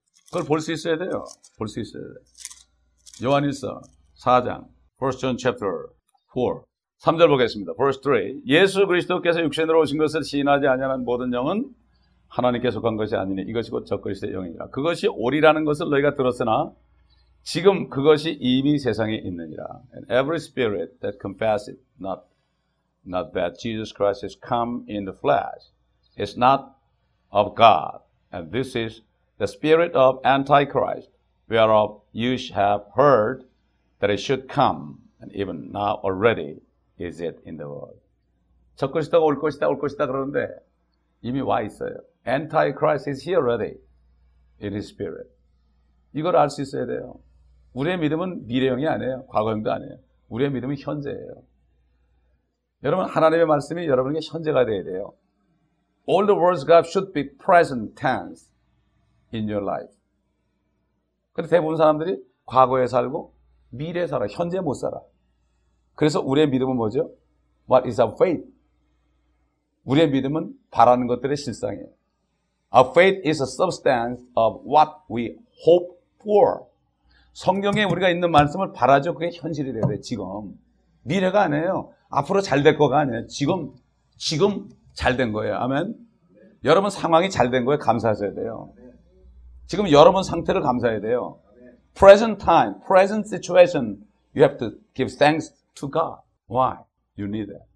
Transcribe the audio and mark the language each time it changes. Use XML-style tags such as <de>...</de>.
<ko>그걸 볼 수 있어야 돼요. 볼 수 있어야 돼. 요한일서 4장.</ko> <en>1 John chapter 4.</en> <ko>3절 보겠습니다.</ko> <en>Verse 3.</en> <ko>예수 그리스도께서 육신으로 오신 것을 시인하지 아니하는 모든 영은 하나님께 속한 것이 아니니 이것이 곧 적그리스도의 영이라. 그것이 오리라는 것을 너희가 들었으나 지금 그것이 이미 세상에 있느니라.</ko> <en>And every spirit that confesseth not that Jesus Christ has come in the flesh is not of God. And this is the spirit of Antichrist, whereof you have heard that it should come, and even now already is it in the world.</en> <ko>적그리스도가 올 것이다, 올 것이다 그러는데 이미 와 있어요.</ko> <en>Antichrist is here already in his spirit.</en> <ko>이걸 알 수 있어야 돼요. 우리의 믿음은 미래형이 아니에요. 과거형도 아니에요. 우리의 믿음은 현재예요. 여러분, 하나님의 말씀이 여러분에게 현재가 돼야 돼요.</ko> <en>All the words of God should be present tense in your life.</en> <ko>근데 대부분 사람들이 과거에 살고 미래에 살아. 현재에 못 살아. 그래서 우리의 믿음은 뭐죠?</ko> <en>What is our faith?</en> <ko>우리의 믿음은 바라는 것들의 실상이에요.</ko> <en>Our faith is a substance of what we hope for.</en> <ko>성경에 우리가 있는 말씀을 바라죠. 그게 현실이 돼야 돼, 지금. 미래가 아니에요. 앞으로 잘 될 거가 아니에요. 지금 잘 된 거예요. 아멘. 여러분 상황이 잘 된 거에 감사하셔야 돼요. 지금 여러분 상태를 감사해야 돼요.</ko> <en>Present time, present situation, you have to give thanks to God. Why? You need it.</en>